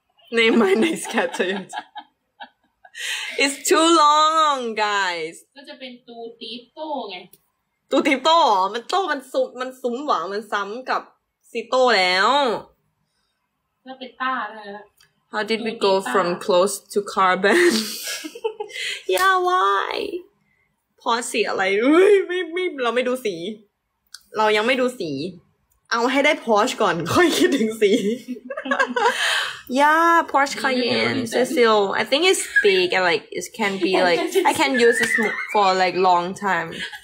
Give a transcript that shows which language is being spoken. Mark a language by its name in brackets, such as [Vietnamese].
[English] Name my next cat Toyota. It's too long, guys. It will be Tutito. Tutito? It's too long. It's too long. It's too long. It's too long. How did we go from close to carbon? Yeah, why? [Thai] Porsche อะไรไม่เราไม่ดูสีเรายังไม่ดูสีเอาให้ได้ Porsche ก่อนค่อยคิดถึงสี [English] Yeah, Porsche Cayenne, Cecil. I think it's big and like it can be like I can use this for like long time.